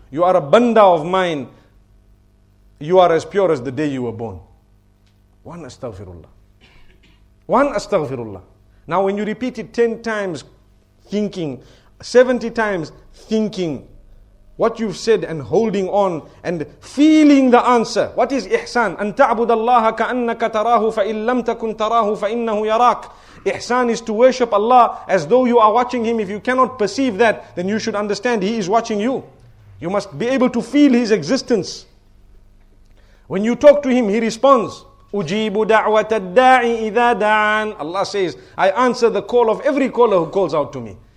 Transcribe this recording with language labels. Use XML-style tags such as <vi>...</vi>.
<en>You are a banda of mine. You are as pure as the day you were born. One astaghfirullah. One astaghfirullah. Now when you repeat it 10 times thinking, 70 times thinking, what you've said and holding on and feeling the answer. What is ihsan?</en> <ar>أن تعبد الله كأنك تراه فإن لم تكن تراه فإنه يراك.</ar> <en>Ihsan is to worship Allah as though you are watching him. If you cannot perceive that, then you should understand he is watching you. You must be able to feel his existence. When you talk to him, he responds.</en> <ar>أُجِيبُ دَعْوَةَ الدَّاعِ إِذَا دَعَانَ.</ar> <en>Allah says, I answer the call of every caller who calls out to me.</en>